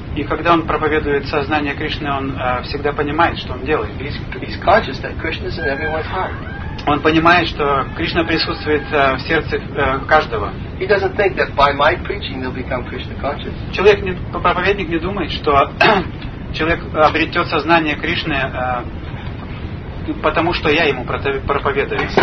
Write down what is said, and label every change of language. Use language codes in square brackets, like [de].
[ru] И когда он проповедует сознание Кришны, он всегда понимает, что он делает. [en] He's conscious that Krishna's in everyone's heart. [ru] Он понимает, что Кришна присутствует в сердце каждого. [en] He doesn't think that by my preaching they'll become Krishna conscious. [ru] Человек, проповедник не думает, что человек обретет сознание Кришны потому что я ему проповедую.